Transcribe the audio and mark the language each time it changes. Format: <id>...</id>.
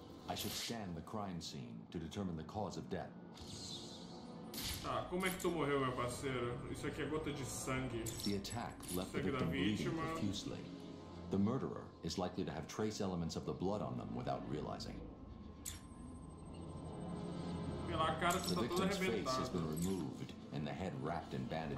<en>I should scan the crime scene to determine the cause of death.</en> <pt>Tá, como é que tu morreu, meu parceiro? Isso aqui é gota de sangue.</pt> <en>The attack left the victim bleeding profusely. The murderer is likely to have trace elements of the blood on them without realizing.</en> <pt>Pela cara, tu tá toda arrebentada.</pt> <en>The face has been removed and the head wrapped in bandages.</en>